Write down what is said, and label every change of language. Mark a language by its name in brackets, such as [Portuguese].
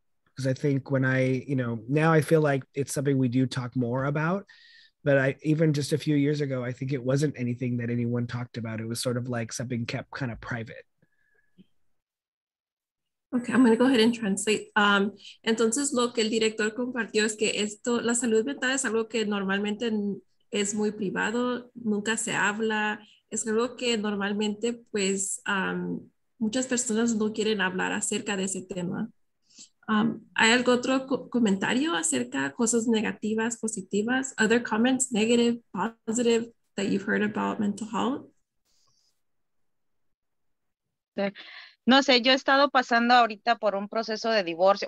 [English] Because I think when I, now I feel like it's something we do talk more about, But I, even just a few years ago, I think it wasn't anything that anyone talked about. It was sort of like something kept kind of private. Okay, I'm going to go ahead and translate. [Spanish] Entonces, lo que el director compartió es que esto, la salud mental es algo que normalmente es muy privado, nunca se habla. Es algo que normalmente, pues, muchas personas no quieren hablar acerca de ese tema. ¿Hay algún otro comentario acerca de cosas negativas, positivas? [English] Other comments, negative, positive, that you've heard about mental health? [Spanish] No sé, yo he estado pasando ahorita por un proceso de divorcio.